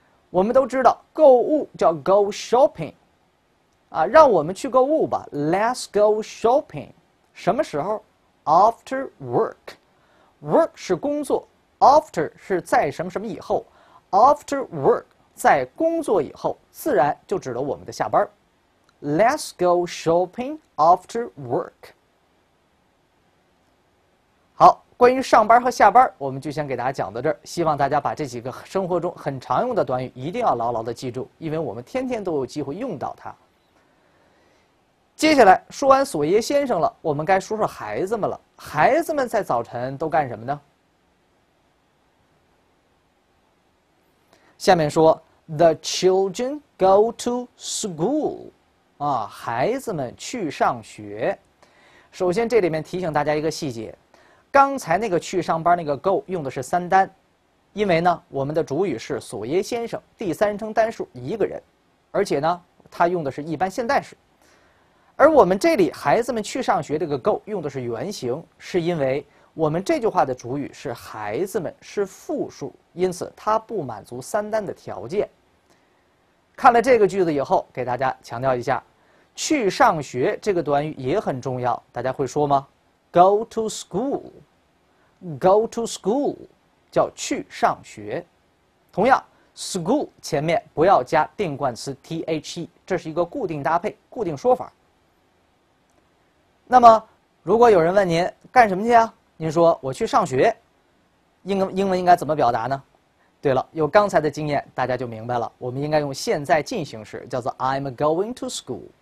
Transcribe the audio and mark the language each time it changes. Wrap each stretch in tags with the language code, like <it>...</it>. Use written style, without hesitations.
<zh>我们都知道，购物叫</zh> <en>go shopping，</en> <zh>让我们去购物吧 ，</zh> <en>let's go shopping。</en> <zh>什么时候 ？</zh> <en>After work。</en> <zh>Work 是工作 ，after 是在什么什么以后 ，</zh> <en>after work</en> <zh>在工作以后，自然就指了我们的下班。</zh> <en>Let's go shopping after work。</en> <zh>好，关于上班和下班，我们就先给大家讲到这儿。希望大家把这几个生活中很常用的短语一定要牢牢的记住，因为我们天天都有机会用到它。接下来说完索耶先生了，我们该说说孩子们了。孩子们在早晨都干什么呢？下面说 ，</zh> <en>The children go to school，</en> <zh>孩子们去上学。首先，这里面提醒大家一个细节，刚才那个去上班那个 go 用的是三单，因为呢，我们的主语是索耶先生，第三人称单数一个人，而且呢，他用的是一般现在时。而我们这里孩子们去上学这个 go 用的是原形，是因为我们这句话的主语是孩子们，是复数，因此它不满足三单的条件。看了这个句子以后，给大家强调一下，去上学这个短语也很重要。大家会说吗 ？</zh> <en>Go to school， go to school，</en> <zh>叫去上学。同样 ，school 前面不要加定冠词 the， 这是一个固定搭配，固定说法。那么，如果有人问您干什么去啊？您说我去上学，英文应该怎么表达呢？对了，有刚才的经验，大家就明白了，我们应该用现在进行时，叫做</zh> <en>I'm going to school。</en>